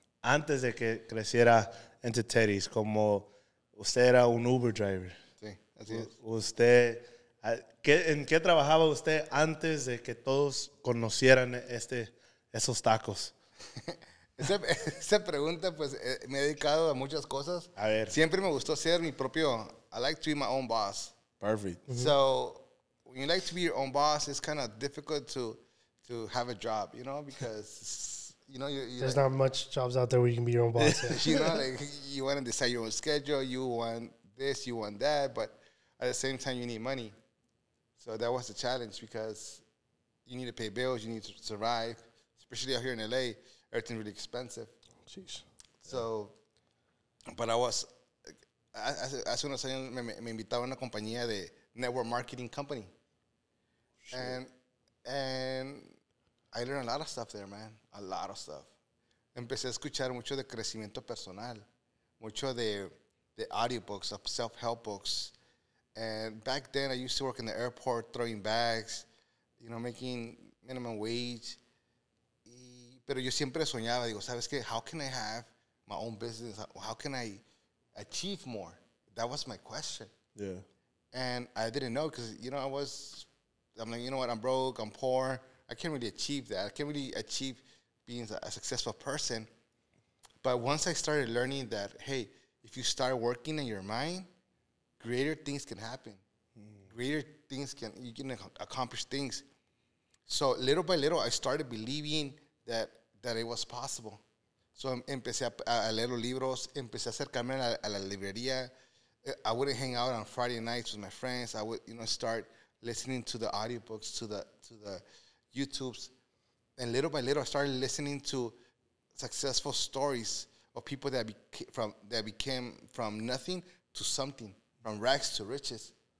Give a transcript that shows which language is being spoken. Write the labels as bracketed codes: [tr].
[es] Antes de que creciera [en] into [es] Teddy's, como usted era un Uber driver. Sí, así es. Usted ¿En qué trabajaba usted antes de que todos conocieran esos tacos? Esa pregunta, pues, me he dedicado a muchas cosas. A ver. Siempre me gustó ser mi propio, [en] I like to be my own boss. Perfect. Mm-hmm. So, when you like to be your own boss, it's kind of difficult to have a job, you know, because, you know. There's not much jobs out there where you can be your own boss. You know, like, you want to decide your own schedule, you want this, you want that, but at the same time, you need money. So that was the challenge because you need to pay bills, you need to survive, especially out here in L.A., everything's really expensive. Jeez. So, but I was, [es] hace unos años me invitaba a una compañía de [en] network marketing company. Sure. And I learned a lot of stuff there, man, a lot of stuff. [es] Empecé a escuchar mucho de crecimiento personal, mucho de audiobooks, [en] of self-help books. And back then, I used to work in the airport, throwing bags, you know, making minimum wage. [es] Pero yo siempre soñaba, digo, ¿sabes qué? [en] How can I have my own business? How can I achieve more? That was my question. Yeah. And I didn't know because, you know, I'm like, you know what? I'm broke. I'm poor. I can't really achieve that. I can't really achieve being a successful person. But once I started learning that, hey, if you start working in your mind, greater things can happen. Mm. Greater things can, you can accomplish things. So little by little, I started believing that it was possible. So [es] empecé a leer los libros, empecé a acercarme a la librería. [en] I wouldn't hang out on Friday nights with my friends. I would, you know, start listening to the audiobooks, to the YouTubes. And little by little, I started listening to successful stories of people that became from nothing to something, from rags to riches.